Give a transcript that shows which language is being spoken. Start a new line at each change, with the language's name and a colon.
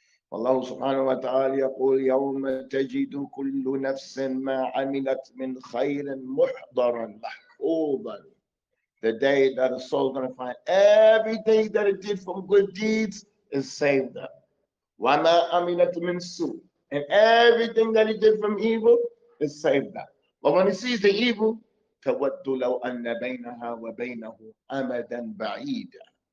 Arabic: والله سبحانه وتعالى يقول: يوم تجد كل نفس ما عملت من خير محضرا محفوظا.
English: The day that a soul is going to find every day that it did from good deeds is saved up.
Arabic: وما عملت من سوء.
English: And everything that it did from evil is saved up. But when he sees the evil,
Arabic: تود لو أن بينها وبينه أمدا بعيدا.